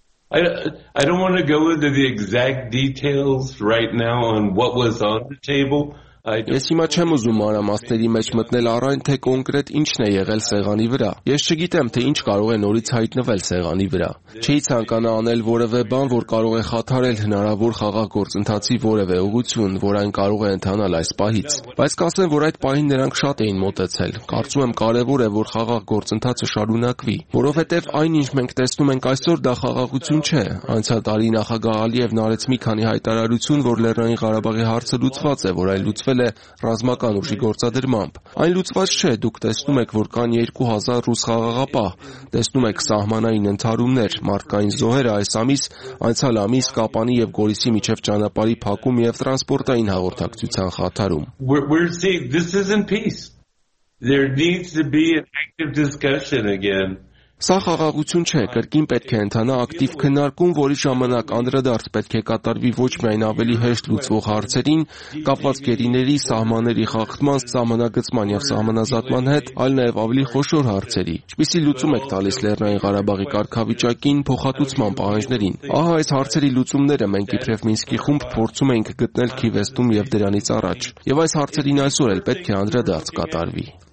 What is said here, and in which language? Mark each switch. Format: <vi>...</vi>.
<en>I don't want to go into the exact details right now on what was on the table.</en> <hy>Ես հիմա չեմ ուզում մանրամասների մեջ մտնել առայն, թե կոնկրետ ինչն է եղել սեղանի վրա։ Ես չգիտեմ, թե ինչ կարող է նորից հայտնվել սեղանի վրա։ Չի ցանկանա անել որևէ բան, որ կարող է խաթարել հնարավոր խաղաղործընթացի որևէ ուղղություն, որ այն կարող է ընթանալ այս պահից։ Բայց կասեմ, որ այդ պահին նրանք շատ էին մոտեցել։ Կարծում եմ, կարևոր է, որ խաղաղործընթացը շարունակվի, որովհետև այնինչ մենք տեսնում ենք այսօր, դա խաղաղություն չէ։ Անցյալ տարի նախագահ Ալիևն արեց մի քանի հայտարարություն, որ Լեռնային Ղարաբաղի հարցը լուծված է, որ այն լուծված է ռազմական ուժի գործադրմամբ։ Այն լուծված չէ, դուք տեսնում եք, որ կան 2000 ռուս խաղաղապահ, տեսնում եք սահմանային ընդհարումներ, մարդկային զոհերը այս ամիս, անցյալ ամիս Կապանի և Գորիսի միջև ճանապարհի փակում և տրանսպորտային հաղորդակցության խաթարում։</hy> <en>We're saying this isn't peace. There needs to be an active discussion again.</en> <hy>Սա խաղաղություն չէ, կրկին պետք է ընթանա ակտիվ քննարկում, որի ժամանակ անդրադարձ պետք է կատարվի ոչ միայն ավելի հեշտ լուծվող հարցերին, կապված գերիների, սահմանների խախտման, սահմանագծման և սահմանազատման հետ, այլ նաև ավելի խոշոր հարցերի։ Ինչպիսի լուծում եք տալիս Լեռնային Ղարաբաղի կարգավիճակին, փոխհատուցման պահանջներին։ Ահա այս հարցերի լուծումները մենք իբրև Մինսկի խումբ փորձում ենք գտնել Քիևում և դրանից առաջ, և այս հարցերին այսօր էլ պետք է անդրադարձ կատարվի։</hy>